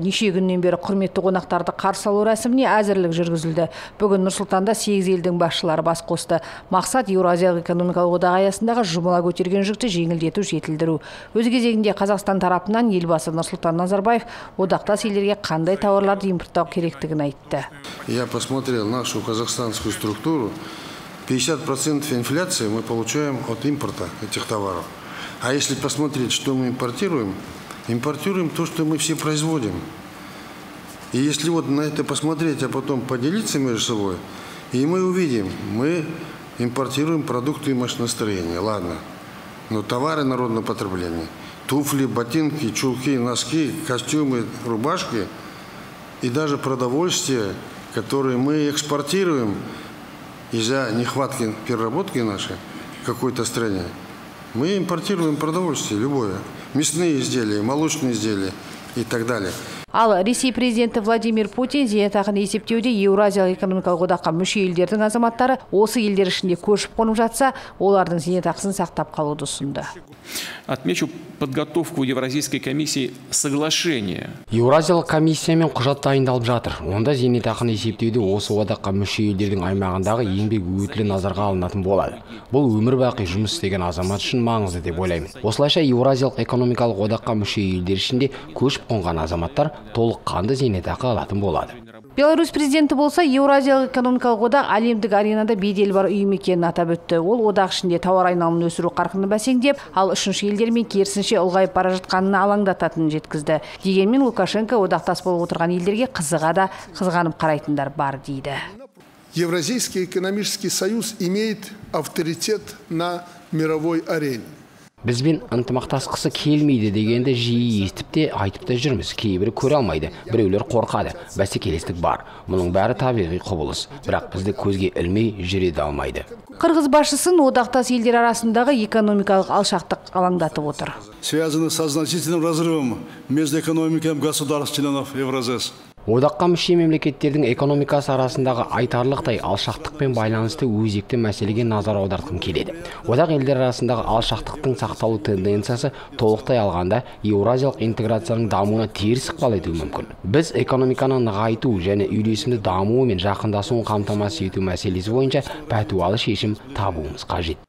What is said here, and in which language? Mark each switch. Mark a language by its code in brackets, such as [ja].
[kk] Неше күннен бері құрметті қонақтарды қарсы алу рәсіміне әзірлік жүргізілді. Бүгін Нұрсұлтанда 8 елдің басшылары бас қосты. Мақсат Еуразиялық экономикалық одақ аясындағы жұмыла көтерген жүкті жеңілдету жетілдіру. Өз кезегінде Қазақстан тарапынан елбасы Нұрсұлтан Назарбаев одақтас елдерге қандай тауарларды импорттау керектігін айтты. [ru] Я посмотрел нашу казахстанскую структуру. 50% инфляции мы получаем от импорта этих товаров. А если посмотреть, что мы импортируем, импортируем то, что мы все производим. И если вот на это посмотреть, а потом поделиться между собой, и мы увидим, мы импортируем продукты и машиностроения, ладно. Но товары народного потребления, туфли, ботинки, чулки, носки, костюмы, рубашки и даже продовольствие, которое мы экспортируем из-за нехватки переработки нашей в какой-то стране, мы импортируем продовольствие любое. Мясные изделия, молочные изделия и так далее. [kk] Ал Ресей президенті Владимир Путин зейнетақын есептеуде Еуразиялық экономикалық одаққа мүше елдердің азаматтары осы елдер ішінде көшіп қонып жатса, олардың зейнетақысын сақтап қалуды ұсынды. [ru] Отмечу подготовку Евразийской комиссии соглашения. [kk] Еуразиялық комиссиямен құжат дайындалып жатыр. Онда зейнетақын есептеуде осы одаққа мүше елдердің аймағындағы еңбек өтілі назарға алынатын болады. Бұл өмір бақи жұмыс істеген азамат үшін маңызды деп ойлаймын. Осылайша Еуразиялық экономикалық одаққа мүше елдер ішінде көшіп қонған азамат толық қанды зейнетақы алатын болады. Беларусь президенті болса, Еуразиялық экономикалық одақ әлемдік аренада бедел бар ұйым екенін атап өтті. Ол одақ ішінде тауар айналымын өсіру қарқыны бәсеңдеп, ал үшінші елдермен керісінше ұлғайып бара жатқанына алаңдататынын жеткізді. Дегенмен Лукашенко одақтас болып отырған елдерге қызыға да қызғанып қарайтындар бар дейді. [ru] Евразийский экономический союз имеет авторитет на мировой арене. [kk] Бізбен ынтымақтасқысы келмейді дегенді жиі естіп те айтып та жүрміз. Кейбірі көре алмайды, біреулер қорқады, бәсекелестік бар. Мұның бәрі табиғи құбылыс, бірақ бізді көзге ілмей жүреді алмайды. Қырғыз басшысын одақтас елдер арасындағы экономикалық алшақтық алаңдатып отыр. [ru] Связаны со значительным разрывом между экономиками государств-членов Евразес. [kk] Одаққа мүше мемлекеттердің экономикасы арасындағы айтарлықтай алшақтықпен байланысты өзекті мәселеге назар аудартқым келеді. Одақ елдер арасындағы алшақтықтың сақталу тенденциясы толықтай алғанда еуразиялық интеграцияның дамуына теріс ықпал етуі мүмкін. Біз экономиканы нығайту және үйлесімді дамуы мен жақындасуын қамтамасыз ету мәселесі бойынша пәтуалы шешім табуымыз қажет.